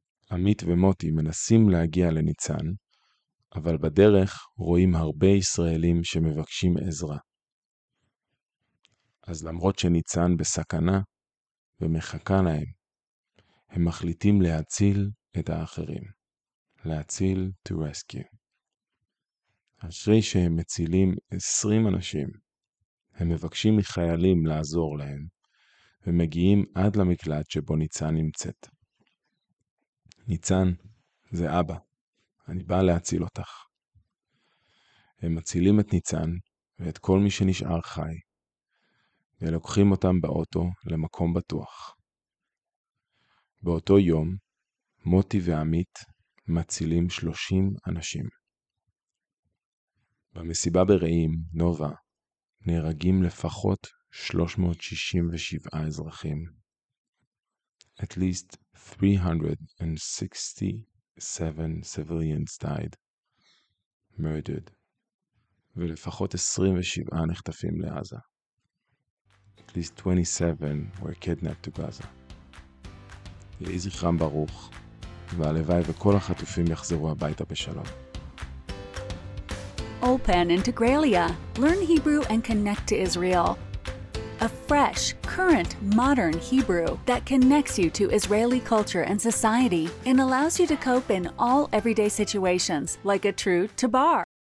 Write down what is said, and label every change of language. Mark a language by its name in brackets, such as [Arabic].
[Hebrew] עמית ומוטי מנסים להגיע לניצן, אבל בדרך רואים הרבה ישראלים שמבקשים עזרה. אז למרות שניצן בסכנה ומחכה להם, הם מחליטים להציל את האחרים. [English] להציל, to rescue. [Hebrew] אחרי שהם מצילים 20 אנשים, הם מבקשים מחיילים לעזור להם, ומגיעים עד למקלט שבו ניצן נמצאת. ניצן, זה אבא. אני בא להציל אותך. הם מצילים את ניצן ואת כל מי שנשאר חי, ולוקחים אותם באוטו למקום בטוח. באותו יום, מוטי ועמית מצילים 30 אנשים. במסיבה ברעים, נובה, נהרגים לפחות 367 אזרחים. [English] At least 367 civilians died, murdered, [Hebrew] ולפחות 27 נחטפים לעזה. [English] At least 27 were kidnapped to Gaza. [Hebrew] יהי זכרם ברוך, והלוואי וכל החטופים יחזרו הביתה בשלום. [English] Ulpan Integraliah. Learn Hebrew and connect to Israel. A fresh, current, modern Hebrew that connects you to Israeli culture and society and allows you to cope in all everyday situations like a true tabar.